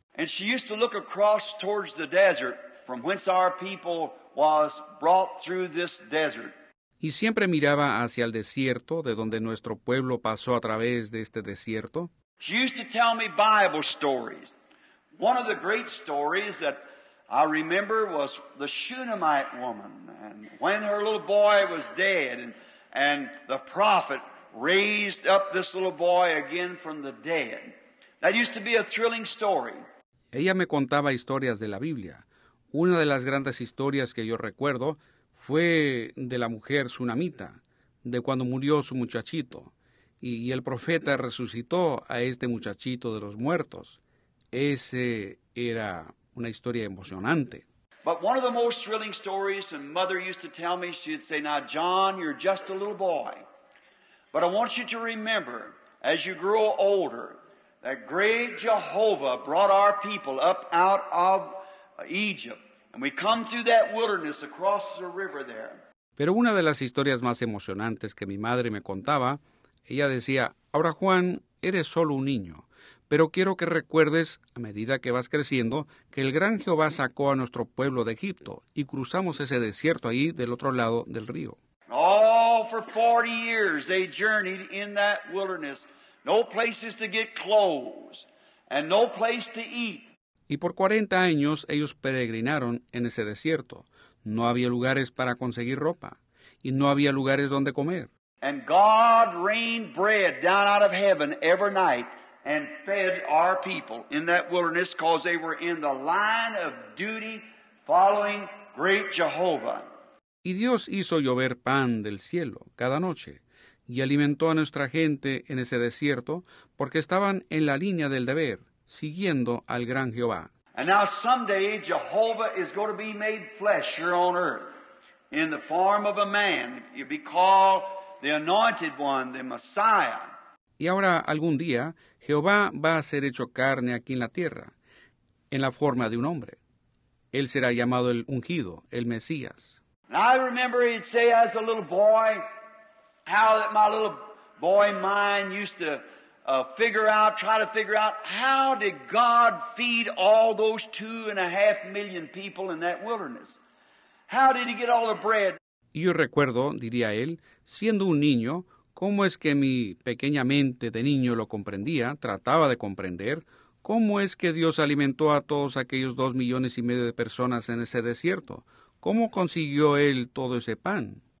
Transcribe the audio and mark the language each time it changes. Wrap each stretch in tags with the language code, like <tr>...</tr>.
<en>And she used to look across towards the desert from whence our people was brought through this desert.</en> <es>Y siempre miraba hacia el desierto de donde nuestro pueblo pasó a través de este desierto.</es> <en>She used to tell me Bible stories. One of the great stories that I remember was the Shunammite woman, and when her little boy was dead, and the prophet raised up this little boy again from the dead. That used to be a thrilling story.</en> <es>Ella me contaba historias de la Biblia. Una de las grandes historias que yo recuerdo fue de la mujer sunamita, de cuando murió su muchachito, y el profeta resucitó a este muchachito de los muertos. Ese era una historia emocionante.</es> <en>But one of the most thrilling stories, and mother used to tell me, she'd say, now John, you're just a little boy, but I want you to remember, as you grow older, that great Jehovah brought our people up out of Egypt, and we come through that wilderness across the river there.</en> <es>Pero una de las historias más emocionantes que mi madre me contaba, ella decía, ahora Juan, eres solo un niño. Pero quiero que recuerdes, a medida que vas creciendo, que el gran Jehová sacó a nuestro pueblo de Egipto y cruzamos ese desierto ahí del otro lado del río.</es> <en>Oh, for 40 years they journeyed in that wilderness. No places to get clothes and no place to eat.</en> <es>Y por 40 años ellos peregrinaron en ese desierto. No había lugares para conseguir ropa y no había lugares donde comer.</es> <en>And God rained bread down out of heaven every night. And fed our people in that wilderness because they were in the line of duty following great Jehovah.</en> <es>Y Dios hizo llover pan del cielo cada noche y alimentó a nuestra gente en ese desierto porque estaban en la línea del deber siguiendo al gran Jehová.</es> <en>And now someday Jehovah is going to be made flesh here on earth in the form of a man. He'll be called the Anointed One, the Messiah.</en> <es>Y ahora, algún día, Jehová va a ser hecho carne aquí en la tierra, en la forma de un hombre. Él será llamado el ungido, el Mesías.</es> <en>I remember he'd say as a little boy, how that my little boy mind used to try to figure out, how did God feed all those 2.5 million people in that wilderness? How did he get all the bread?</en> <es>Y yo recuerdo, diría él, siendo un niño, ¿cómo es que mi pequeña mente de niño lo comprendía, trataba de comprender? ¿Cómo es que Dios alimentó a todos aquellos 2.5 millones de personas en ese desierto? ¿Cómo consiguió Él todo ese pan?</es>